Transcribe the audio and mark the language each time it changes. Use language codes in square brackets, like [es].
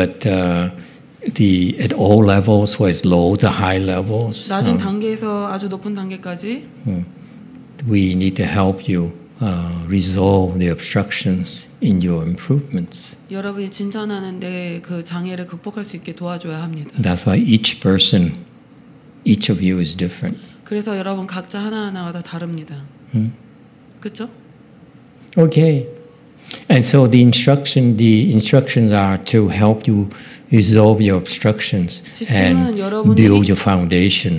[en] But at all levels, so as low to high levels. [ko] 낮은 단계에서 아주 높은 단계까지. [en] We need to help you resolve the obstructions in your improvements. [ko] 여러분이 진전하는데 그 장애를 극복할 수 있게 도와줘야 합니다. [en] That's why each person, each of you is different. [ko] 그래서 여러분 각자 하나하나가 다 다릅니다. 그렇죠? [en] Okay. And so the instructions are to help you resolve your obstructions and build your foundation.